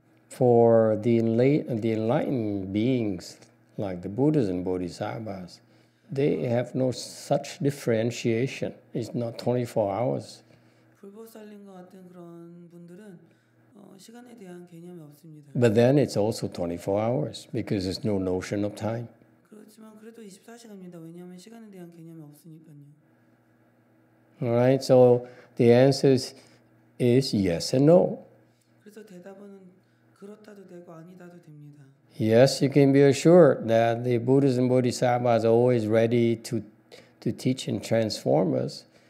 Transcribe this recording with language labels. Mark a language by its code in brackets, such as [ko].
[en] For the enlightened beings like the Buddhas and Bodhisattvas, they have no such differentiation. It's not 24 hours. [ko] 불보살님과 같은 그런 분들은 시간에 대한 개념이 없습니다. [en] But then it's also 24 hours because there's no notion of time. [ko] 그렇지만 그래도 24시간입니다. 왜냐하면 시간에 대한 개념이 없으니까요. [en] Alright, so the answer is yes and no. [ko] 그래서 대답은 그렇다도 되고 아니다도 됩니다. [en] Yes, you can be assured that the Buddhas and Bodhisattvas are always ready to teach and transform us.